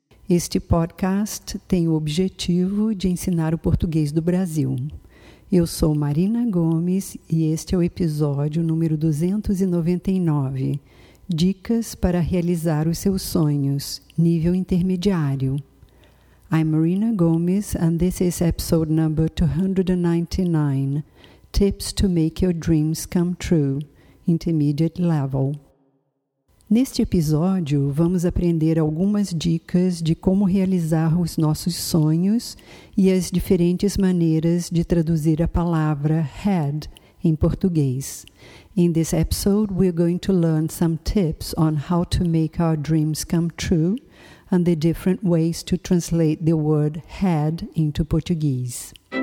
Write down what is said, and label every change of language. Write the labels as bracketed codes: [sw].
[pt] Este podcast tem o objetivo de ensinar o português do Brasil. Eu sou Marina Gomes e este é o episódio número 299, Dicas para realizar os seus sonhos, nível intermediário. [en] I'm Marina Gomes and this is episode number 299, Tips to make your dreams come true, intermediate level. [pt] Neste episódio, vamos aprender algumas dicas de como realizar os nossos sonhos e as diferentes maneiras de traduzir a palavra head em português. [en] In this episode, we're going to learn some tips on how to make our dreams come true and the different ways to translate the word head into Portuguese.